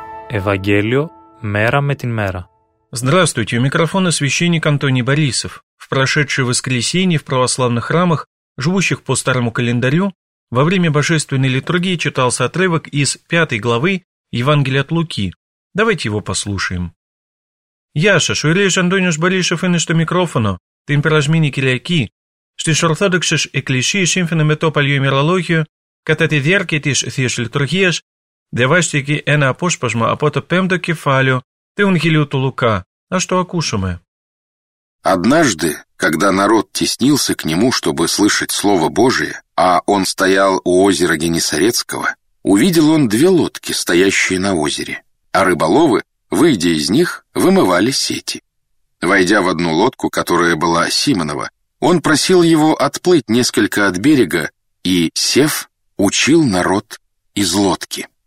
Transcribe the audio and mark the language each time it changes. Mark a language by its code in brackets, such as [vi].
[ru] Евангелие мера [el] με την [ru] мера. Здравствуйте, у микрофона священник Антоний Борисов. В прошедшее воскресенье в православных храмах, живущих по старому календарю, во время божественной литургии читался отрывок из 5 главы Евангелия от Луки. Давайте его послушаем. [el] Γεια σας, ο Ιερέας Αντώνιος Μπαλίσοφ είναι στο μικρόφωνο, την περασμένη Κυριακή. Στις Ορθόδοξες Εκκλησίες, σύμφωνα με το παλιό ημερολόγιο, κατά τη διάρκεια της Θείας Λειτουργίας, διαβάστηκε ένα απόσπασμα από το 5ο κεφάλαιο του Ευαγγελίου του Λουκά. Ας το ακούσουμε. [ru] Однажды, когда народ теснился к нему, чтобы слышать Слово Божие, а он стоял у озера Генисарецкого, увидел он две лодки, стоящие на озере, а рыболовы, выйдя из них, вымывали сети. Войдя в одну лодку, которая была Симонова, он просил его отплыть несколько от берега и, сев, учил народ из лодки.